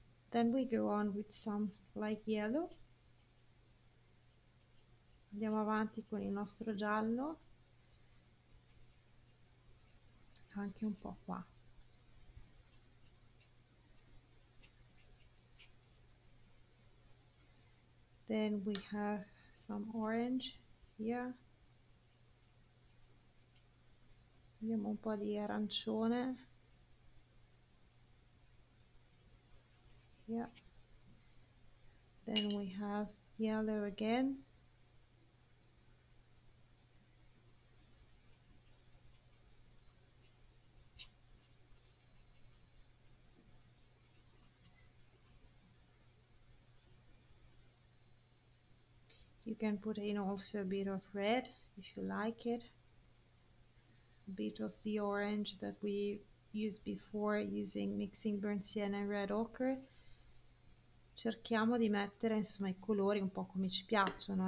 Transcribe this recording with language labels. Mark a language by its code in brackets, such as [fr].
[en] Then we go on with some light yellow. [it] Andiamo avanti con il nostro giallo, anche un po' qua. [en] Then we have some orange here. [it] Vediamo un po' di arancione. [en] Yeah. Then we have yellow again. You can put in also a bit of red if you like it. A bit of the orange that we used before using mixing burnt sienna and red ochre. [it] Cerchiamo di mettere insomma i colori un po' come ci piacciono.